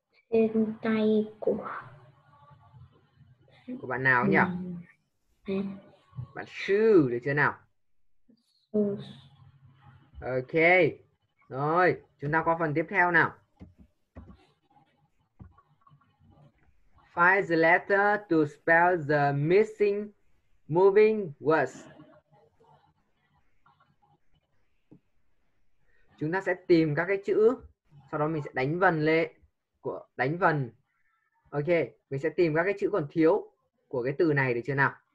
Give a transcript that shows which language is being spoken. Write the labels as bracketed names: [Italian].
[Vietnamese] Trên tay của bạn nào ấy nhỉ? Bạn Sư được chưa nào? Ok, rồi, chúng ta qua phần tiếp theo nào. [English] Find the letter to spell the missing moving words. [Vietnamese] Chúng ta sẽ tìm các cái chữ, sau đó mình sẽ đánh vần lệ, của đánh vần. Ok, mình sẽ tìm các cái chữ còn thiếu của cái từ này được chưa nào?